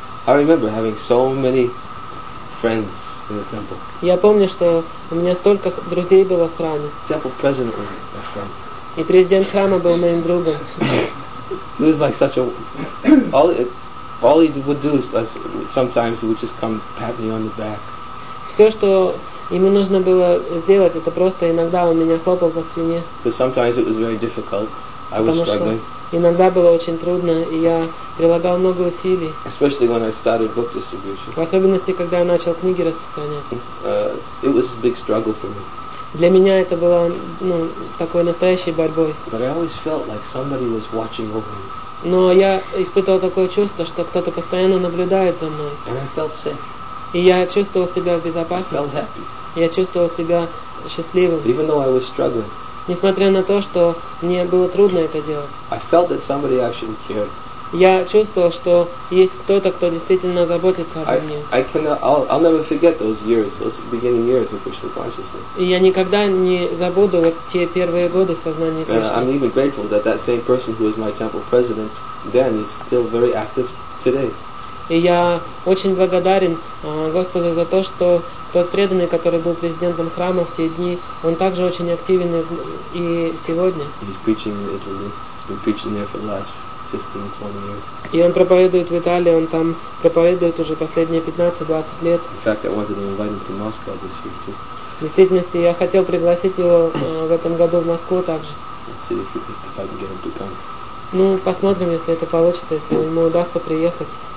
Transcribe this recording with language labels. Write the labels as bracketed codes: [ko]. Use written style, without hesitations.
[en] I remember having so many friends in the temple. [ru] Я помню, что у меня столько друзей было в храме. [en] Temple president was my friend. [ru] И президент храма был моим другом. [en] It was like such a all he would do is sometimes he would just come pat me on the back. [ru] Все, что ему нужно было сделать, это просто иногда он меня хлопал по спине. [en] Because sometimes it was very difficult. I was struggling. [ru] Иногда было очень трудно, и я прилагал много усилий. [en] Especially when I started book distribution. [ru] В особенности, когда я начал книги распространять. [en] It was a big struggle for me. [ru] Для меня это было такой настоящей борьбой. [en] But I always felt like somebody was watching over me. [ru] Но я испытывал такое чувство, что кто-то постоянно наблюдает за мной. [en] And I felt safe. [ru] И я чувствовал себя в безопасности. Я чувствовал себя счастливым. [en] Even though I was struggling. [ru] Несмотря на то, что мне было трудно это делать. [en] I felt that somebody actually cared. [ru] Я чувствовал, что есть кто-то, кто действительно заботится обо мне. [en] I'll never forget those beginning years of Krishna consciousness. [ru] И я никогда не забуду вот те первые годы в сознании Кришны. [en] And I'm even grateful that that same person who was my temple president then is still very active today. [ru] И я очень благодарен Господу за то, что тот преданный, который был президентом храма в те дни, он также очень активен и сегодня. [en] He's preaching in Italy. He's been preaching there for the last 15-20 years. [ru] И он проповедует в Италии, он там проповедует уже последние 15-20 лет. [en] In fact, I wanted to invite him to Moscow this year too. [ru] В действительности, я хотел пригласить его в этом году в Москву также. [en] Let's see if I can get him to come. [ru] Посмотрим, если это получится, если ему удастся приехать.